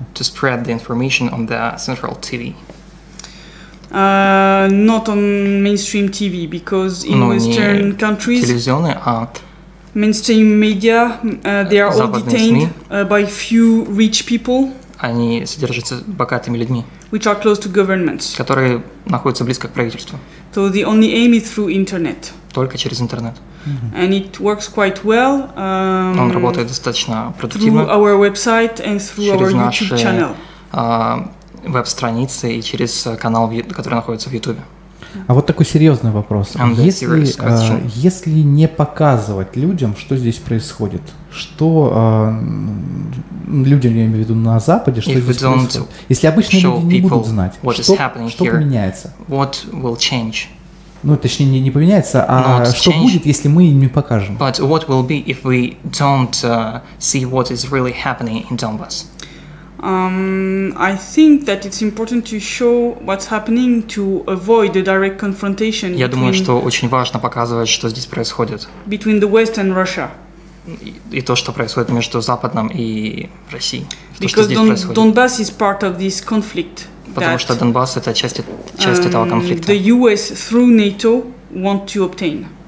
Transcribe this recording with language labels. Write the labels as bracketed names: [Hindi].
[English] To spread the information on the central TV. Not on mainstream TV, because in Western countries. [Russian] Телевизионные, а. [English] Mainstream media, they are all detained by few rich people. [Russian] Они содержатся богатыми людьми, [English] which are close to governments. [Russian] Которые находятся близко к правительству. [English] So the only aim is through internet. [Russian] Только через интернет. [English] Mm-hmm. And it works quite well. [Russian] Он работает достаточно продуктивно. [English] Through our website and through our YouTube [Russian] наши, [English] channel. [Russian] Веб-страницы и через канал, который находится в YouTube. А вот такой серьезный вопрос. Если не показывать людям, что здесь происходит, что людям, я имею в виду, на Западе, что здесь происходит, если обычные люди не будут знать, что поменяется? [English] What will change? [Russian] Ну, точнее, не поменяется, а что будет, если мы им не покажем? [English] But what will be if we don't see what is really happening in Donbass? I think that it's important to show what's happening to avoid the direct confrontation. [Russian] Я думаю, что очень важно показывать, что здесь происходит. [English] Between the West and Russia. [Russian] И то, что происходит между Западом и Россией. [English] Because Donbass is part of this conflict. [Russian] Потому что Донбасс это часть этого конфликта. [English] The US through NATO want to obtain.